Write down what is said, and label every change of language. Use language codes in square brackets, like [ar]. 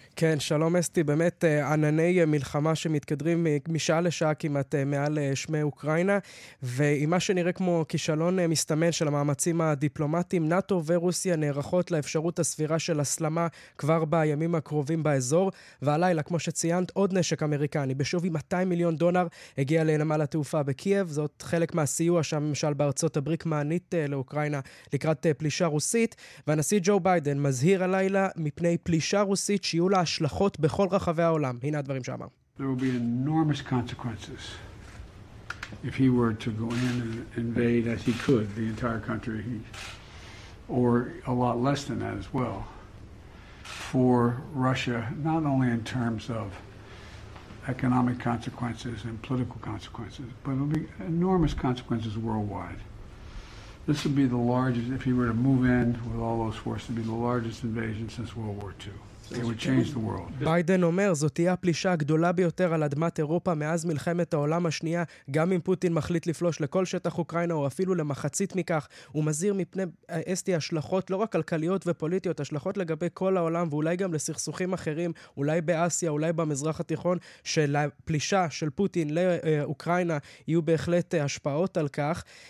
[he] כן, שלום אסתי, באמת ענני מלחמה שמתקדרים משעה לשעה כמעט מעל שמי אוקראינה, ועם מה שנראה כמו כישלון מסתמן של המאמצים הדיפלומטיים, נאטו ורוסיה נערכות לאפשרות הסבירה של הסלמה כבר בימים הקרובים באזור, והלילה, כמו שציינת, עוד נשק אמריקני בשווי 200 מיליון דולר הגיע לנמל התעופה בקייב. זאת חלק מהסיוע שהממשל בארצות הברית מענית לאוקראינה לקראת פלישה רוסית, והנשיא ג'ו ביידן מזהיר הלילה מפני פלישה רוסית שיהיו להשלכות בכל רחבי העולם. הנה הדברים שאמר. [en] There will be enormous consequences if he were to go in and invade as he could the entire country or a lot less than that as well for Russia, not only in terms of economic consequences and political consequences, but there will be enormous consequences worldwide. This would be the largest, if he were to move in with all those forces, would be the largest invasion since World War II. It would change the world. [he] ביידן אומר, זאת תהיה הפלישה הגדולה ביותר על אדמת אירופה מאז מלחמת העולם השנייה, גם אם פוטין מחליט לפלוש לכל שטח אוקראינה או אפילו למחצית מכך. הוא מזהיר מפני אסתי השלכות לא רק כלכליות ופוליטיות, השלכות לגבי כל העולם ואולי גם לסכסוכים אחרים, אולי באסיה, אולי במזרח התיכון, של הפלישה של פוטין לאוקראינה יהיו בהחלט השפעות על כך.